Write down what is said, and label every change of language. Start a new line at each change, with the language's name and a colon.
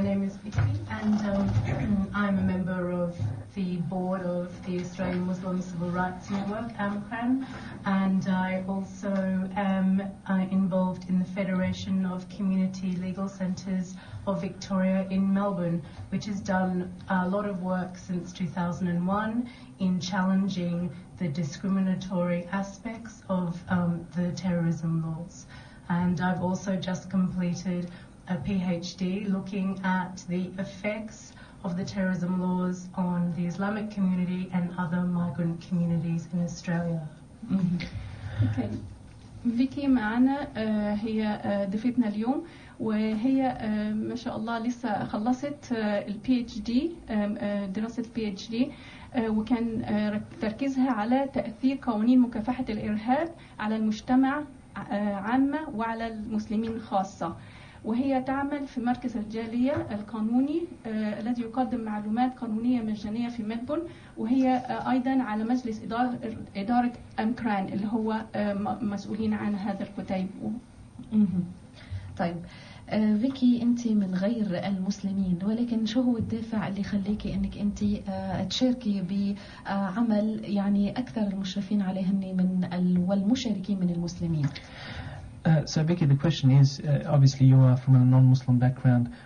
English: name is Vicky, and I'm a member of the board of the Australian Muslim Civil Rights Network, AMCRAN, and I also am involved in the Federation of Community Legal Centres of Victoria in Melbourne, which has done a lot of work since 2001 in challenging the discriminatory aspects of the terrorism laws. And I've also just completed a PhD looking at the effects of the terrorism laws on the Islamic community and other migrant communities in Australia. Okay.
Arabic: Vicky معنا هي ضيفتنا اليوم وهي ما شاء الله لسه خلصت PhD دراسة PhD وكان تركيزها على تأثير قوانين مكافحة الإرهاب على المجتمع عامة وعلى المسلمين خاصة. وهي تعمل في مركز الجالية القانوني الذي يقدم معلومات قانونية مجانية في ميلبورن وهي أيضا على مجلس إدارة أمكران اللي هو مسؤولين عن هذا الكتيب. طيب فيكي انت من غير المسلمين ولكن شو هو الدافع اللي خليكي انك انت تشاركي بعمل يعني اكثر المشرفين عليهن من والمشاركين من المسلمين.
English: So Vicky, the question is obviously you are from a non-Muslim background.